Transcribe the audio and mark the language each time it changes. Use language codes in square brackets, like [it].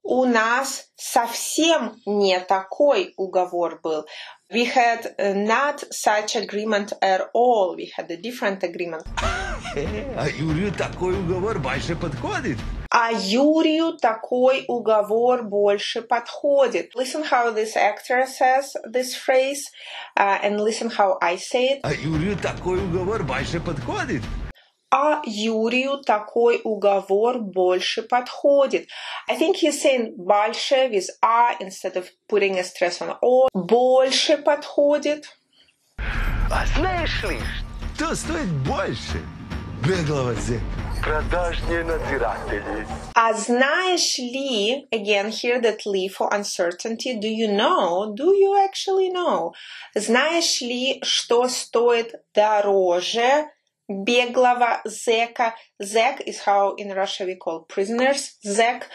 [ru] У нас совсем не такой уговор был. [en] We had not such agreement at all. We had a different agreement. [ru] А Юрию такой уговор больше подходит. А Юрию такой уговор больше подходит. [en] Listen how this actor says this phrase, and listen how I say it. [ru] А Юрию такой уговор больше подходит. А Юрию такой уговор больше подходит. [en] I think he's saying больше with a instead of putting a stress on o. [ru] Больше подходит. А знаешь ли, что стоит больше? Беглого зэка. Продажные надзиратели. А знаешь ли, [en] again, here that ли for uncertainty, do you know, do you actually know? [ru] Знаешь ли, что стоит дороже беглого зэка? [en] Зэк is how in Russia we call prisoners, зэк.